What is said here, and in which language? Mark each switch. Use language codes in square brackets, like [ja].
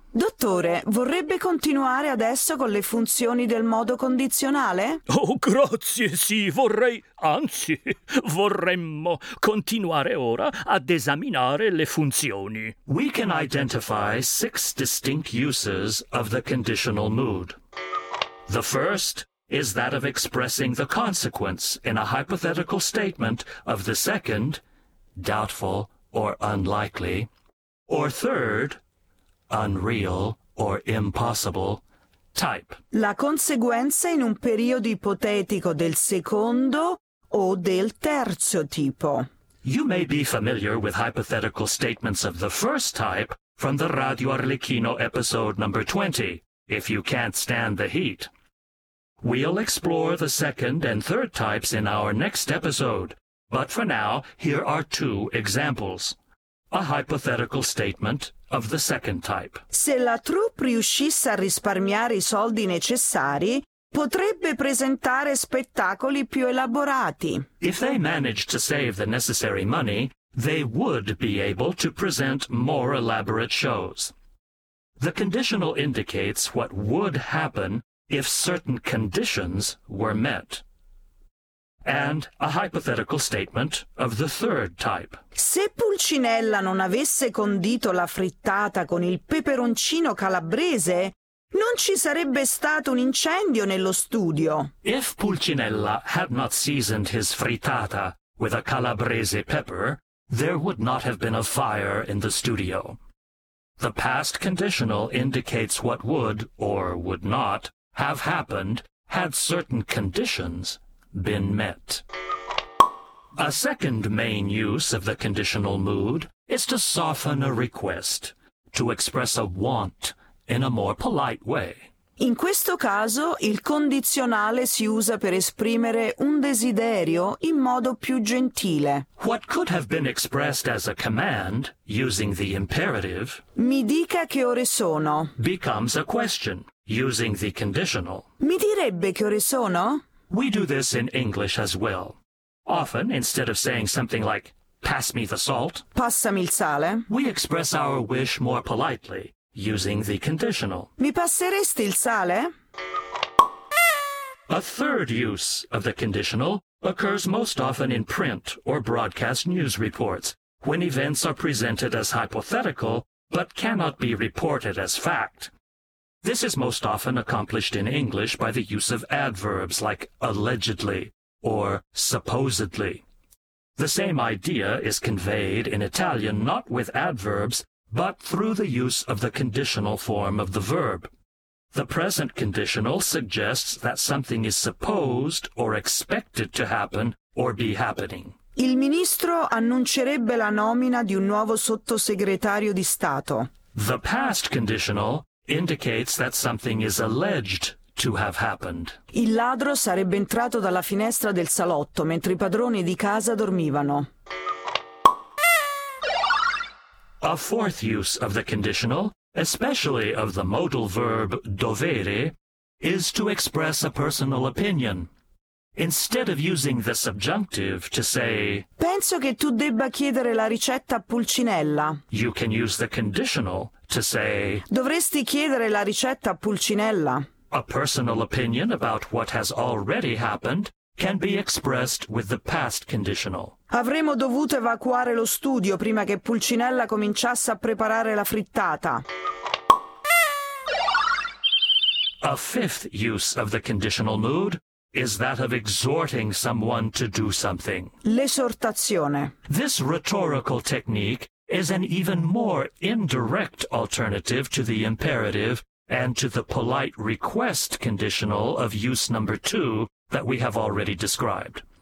[it] Dottore, vorrebbe continuare adesso con le funzioni del modo condizionale? Oh, grazie, sì, vorrei, anzi, vorremmo continuare ora ad esaminare le funzioni. [en] We can identify six distinct uses of the conditional mood. The first is that of expressing the consequence in a hypothetical statement of the second, doubtful or unlikely, or third, unreal or impossible type. [it] La conseguenza in un periodo ipotetico del secondo o del terzo tipo. [en] You may be familiar with hypothetical statements of the first type from the Radio Arlecchino episode number 20, if you can't stand the heat. We'll explore the second and third types in our next episode, but for now, here are two examples. A hypothetical statement of the second type. [it] Se la troupe riuscisse a risparmiare i soldi necessari, potrebbe presentare spettacoli più elaborati. [en] If they managed to save the necessary money, they would be able to present more elaborate shows. The conditional indicates what would happen if certain conditions were met. And a hypothetical statement of the third type. [it] Se Pulcinella non avesse condito la frittata con il peperoncino calabrese, non ci sarebbe stato un incendio nello studio. [en] If Pulcinella had not seasoned his frittata with a calabrese pepper, there would not have been a fire in the studio. The past conditional indicates what would or would not have happened had certain conditions been met. A second main use of the conditional mood is to soften a request, to express a want in a more polite way. [it] In questo caso, il condizionale si usa per esprimere un desiderio in modo più gentile. [en] What could have been expressed as a command, using the imperative, [it] mi dica che ore sono, [en] becomes a question, using the conditional. [it] Mi direbbe che ore sono? [en] We do this in English as well. Often, instead of saying something like, pass me the salt, [it] passami il sale, [en] we express our wish more politely, using the conditional. [it] Mi passeresti il sale? [en] A third use of the conditional occurs most often in print or broadcast news reports, when events are presented as hypothetical but cannot be reported as fact. This is most often accomplished in English by the use of adverbs like allegedly or supposedly. The same idea is conveyed in Italian not with adverbs, but through the use of the conditional form of the verb. The present conditional suggests that something is supposed or expected to happen or be happening. [it] Il ministro annuncerebbe la nomina di un nuovo sottosegretario di Stato. [en] The past conditional indicates that something is alleged to have happened. [it] Il ladro sarebbe entrato dalla finestra del salotto mentre i padroni di casa dormivano. [en] A fourth use of the conditional, especially of the modal verb dovere, is to express a personal opinion. Instead of using the subjunctive to say, [it] penso che tu debba chiedere la ricetta a Pulcinella, [en] you can use the conditional to say, [it] dovresti chiedere la ricetta a Pulcinella. [en] A personal opinion about what has already happened can be expressed with the past conditional. [it] Avremmo dovuto evacuare lo studio prima che Pulcinella cominciasse a preparare la frittata. [en] A fifth use of the conditional mood is that of exhorting someone to do something. [it] L'esortazione. [en] This rhetorical technique is an even more indirect alternative to the imperative and to the polite request conditional of use number two that we have already described.